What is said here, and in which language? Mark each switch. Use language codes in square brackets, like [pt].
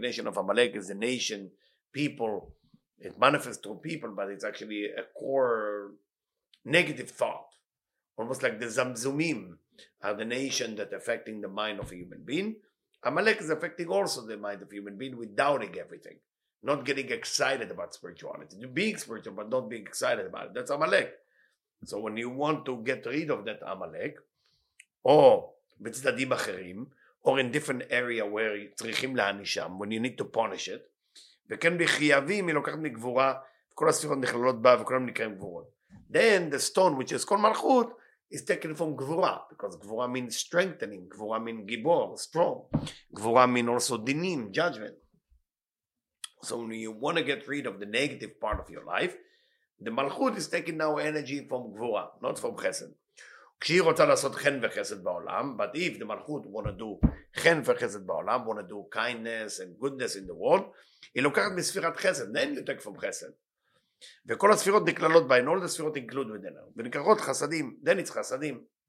[en] Nation of Amalek is the nation, people, it manifests through people, but it's actually a core negative thought. Almost like the Zamzumim are the nation that affecting the mind of a human being. Amalek is affecting also the mind of a human being with doubting everything, not getting excited about spirituality. Being spiritual, but not being excited about it. That's Amalek. So when you want to get rid of that Amalek, or [he] בצדדים אחרים, [en] or in different area where [he] צריכים להנישם, [en] when you need to punish it, [he] וכן בחייבים, היא לוקחת מגבורה, כל הספירות נכללות בה, וכל הם נקראים גבורות. [en] Then the stone, which is called מלכות, is taken from גבורה, because גבורה means strengthening, גבורה means גיבור, strong, גבורה means also דינים, judgment. So when you want to get rid of the negative part of your life, the Malchut is taking now energy from Gvura, not from Chesed. [he] כשהיא רוצה לעשות חן וחסד בעולם, [en] but if the Malchut want to do [he] חן וחסד בעולם, [en] want to do kindness and goodness in the world, [he] היא לוקחת מספירת חסד, [en] then you take from Chesed. [he] וכל הספירות נכללות בה, [en] and all the ספירות include within her. [he] ונקראות חסדים, [en] then it's [he] חסדים.